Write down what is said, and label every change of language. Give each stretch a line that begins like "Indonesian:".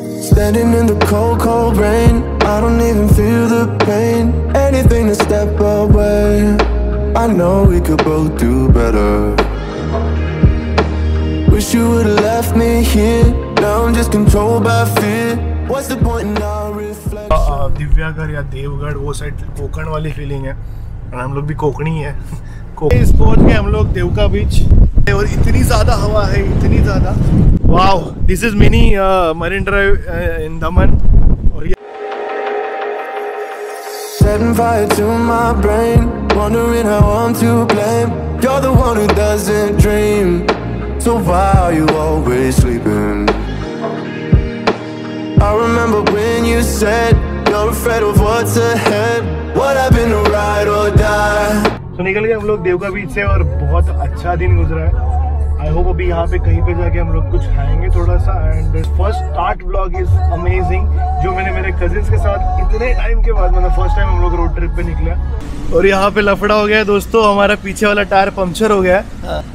English: Standing in the cold, cold rain, I don't even feel the pain. Anything to step away, I know we could both do better. Wish you would have left me here. Now I'm just controlled by fear. What's the point in our reflection?
Hindi: दिव्यागढ़ या देवगढ़ वो side Konkan वाली feeling है, और हम लोग भी कोकणी है। इस पहुंच गए हम लोग देवका बीच, और इतनी ज्यादा हवा है, इतनी ज्यादा,
English: Wow, this is mini Marine Drive in Daman.
Hindi: और ये
English: setting fire to my brain, wondering how I'm to blame. You're the one who doesn't dream. So why are you always sleeping? I remember when you said you're afraid of what's ahead. What I've been to ride or die.
Hindi: So निकल गए हम लोग देवका बीच से, और बहुत अच्छा दिन गुजरा है।
English: I hope
Hindi: अभी यहाँ पे कहीं पे जाके हम लोग कुछ खाएंगे थोड़ा सा,
English: and first start vlog is amazing,
Hindi: जो मैंने मेरे कजिन के साथ इतने टाइम के बाद, मतलब फर्स्ट टाइम हम लोग रोड ट्रिप पे निकले। और यहाँ पे लफड़ा हो गया दोस्तों, हमारा पीछे वाला टायर पंक्चर हो गया।